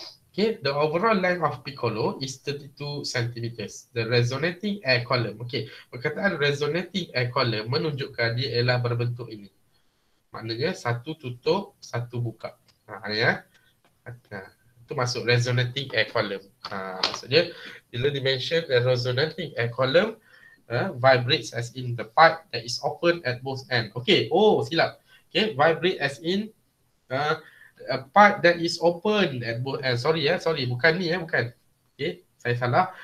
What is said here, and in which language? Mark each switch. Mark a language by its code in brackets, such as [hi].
[en] Okay, the overall length of piccolo is 32 cm. The resonating air column. [ms] Okay, perkataan resonating air column menunjukkan dia ialah berbentuk ini. Maknanya satu tutup, satu buka. Itu masuk resonating air column. Maksudnya, bila [en] dimension resonating air column vibrates as in the pipe that is open at both end. Okay, [ms] oh silap. [en] Okay, vibrate as in a pipe that is open at both end. Sorry. [ms] Bukan ni bukan. [en] Okay, [ms] saya salah.